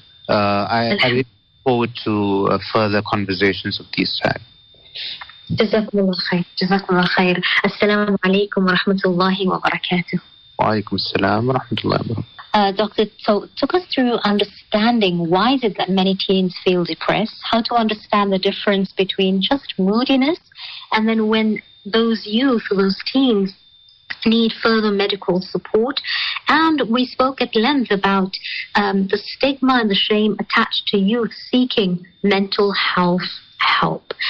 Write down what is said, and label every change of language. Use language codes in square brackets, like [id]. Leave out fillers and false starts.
[en] I look forward to further conversations of these type. [ar] جزاكم الله خير. جزاكم الله خير. السلام عليكم ورحمة الله وبركاته. وعليكم السلام ورحمة الله وبركاته. [en] Doctor, so took us through understanding why is it that many teens feel depressed, how to understand the difference between just moodiness and then when those youth, those teens need further medical support. And we spoke at length about the stigma and the shame attached to youth seeking mental health help.